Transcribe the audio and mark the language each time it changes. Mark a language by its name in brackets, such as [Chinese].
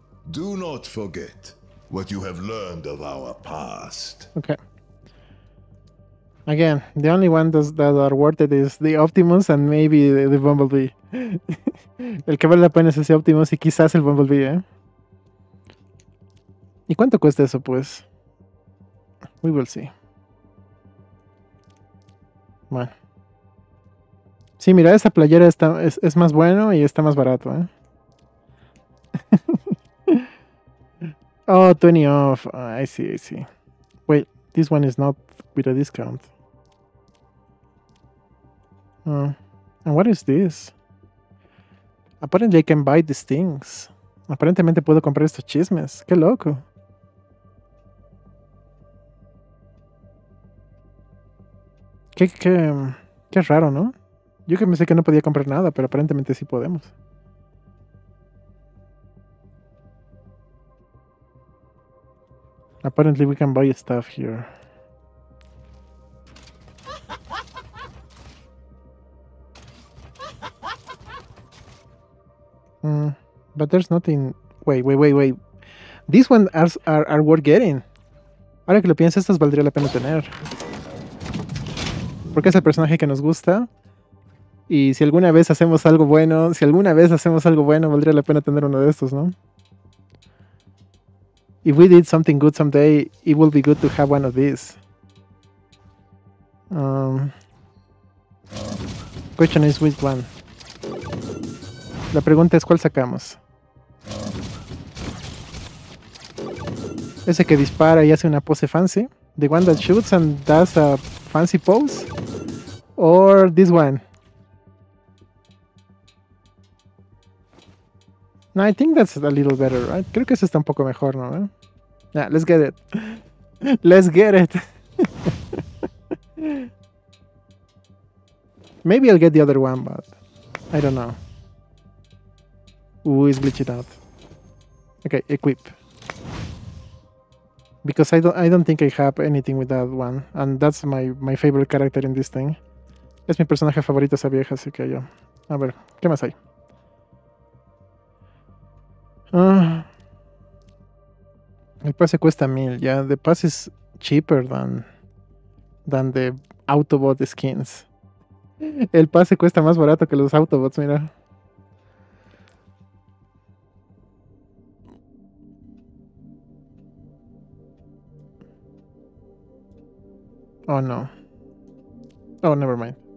[English] Do not forget what you have learned of our past. Okay. Again, the only one that are worth it is the Optimus and maybe the Bumblebee. [Spanish] El que vale la pena es ese Optimus y quizás el Bumblebee, ¿eh? ¿Y cuánto cuesta eso, pues? [English] We will see. [Spanish] Bueno. Sí, mira, esta playera es más bueno y está más barato, ¿eh? [English] Oh, 20 off. I see. Wait, this one is not with a discount. And what is this? Apparently I can buy these things. [Spanish] Aparentemente puedo comprar estos chismes. Qué loco. Qué raro, ¿no? Yo que pensé que no podía comprar nada, pero aparentemente sí podemos. [English] Apparently we can buy stuff here. But there's nothing. Wait. These ones are worth getting. [Spanish] Ahora que lo pienso, estas valdría la pena tener. Porque es el personaje que nos gusta. Y si alguna vez hacemos algo bueno, valdría la pena tener uno de estos, ¿no? [English] If we did something good someday, it would be good to have one of these. Question is which one? [Spanish] La pregunta es, ¿cuál sacamos? Ese que dispara y hace una pose fancy. [English] The one that shoots and does a fancy pose. Or this one. No, I think that's a little better, right? [Spanish] Creo que ese está un poco mejor, ¿no? [English] Yeah, let's get it. Let's get it. Maybe I'll get the other one, but I don't know. It's glitched out. Okay, equip. Because I don't think I have anything with that one. And that's my favorite character in this thing. [Spanish] Es mi personaje favorito esa vieja, así que yo. A ver, ¿qué más hay? El pase cuesta 1000, ya. [English] Yeah? The pass is cheaper than the Autobot skins. [Spanish] El pase cuesta más barato que los Autobots, mira. [English] Oh no. Oh, never mind.